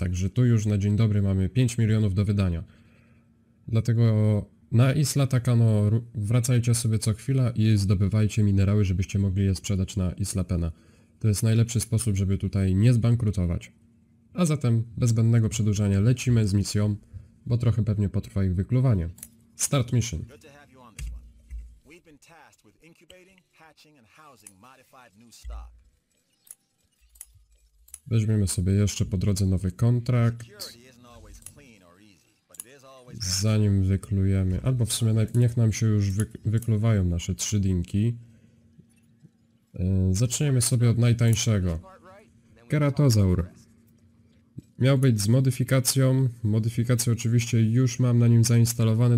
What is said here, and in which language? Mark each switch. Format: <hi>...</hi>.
<pl>Także tu już na dzień dobry mamy 5 milionów do wydania. Dlatego na Isla Tacano wracajcie sobie co chwila i zdobywajcie minerały, żebyście mogli je sprzedać na Isla Pena. To jest najlepszy sposób, żeby tutaj nie zbankrutować. A zatem bez zbędnego przedłużania lecimy z misją, bo trochę pewnie potrwa ich wykluwanie.</pl> <en>Start mission. Good to have you on this one. We've been tasked with incubating, hatching and housing modified new stock.</en> <pl>Weźmiemy sobie jeszcze po drodze nowy kontrakt.</pl> <en>Security isn't always clean or easy, but it is always</en> <pl>Zanim wyklujemy, albo w sumie niech nam się już wykluwają nasze trzy dinki. Zaczniemy sobie od najtańszego. Keratozaur. Miał być z modyfikacją. Modyfikację oczywiście już mam na nim zainstalowane.</pl>